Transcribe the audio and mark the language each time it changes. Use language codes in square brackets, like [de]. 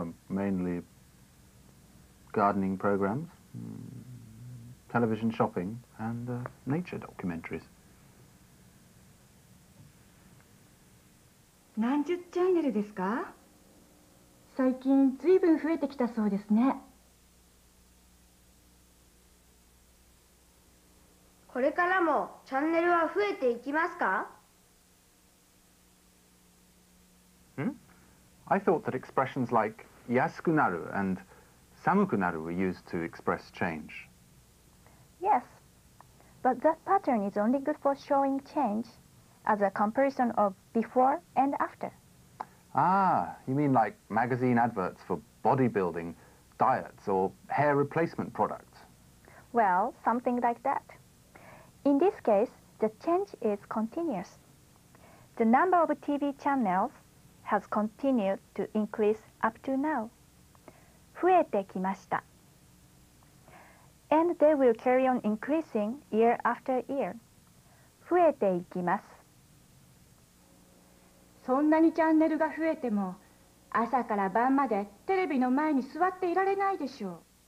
[en] Mainly gardening programs, television shopping, and nature documentaries. [ja] 何十チャンネルですか？最近随分増えてきたそうですね。これからもチャンネルは増えていきますか？ [en] I thought that expressions like yasukunaru and samukunaru were used to express change. Yes, but that pattern is only good for showing change as a comparison of before and after. Ah, you mean like magazine adverts for bodybuilding, diets, or hair replacement products? Well, something like that. In this case, the change is continuous. The number of TV channels has continued to increase up to now. [ja] 増えてきました。 [en] And they will carry on increasing year after year. [ja] 増えていきます。そんなにチャンネルが増えても、朝から晩までテレビの前に座っていられないでしょう。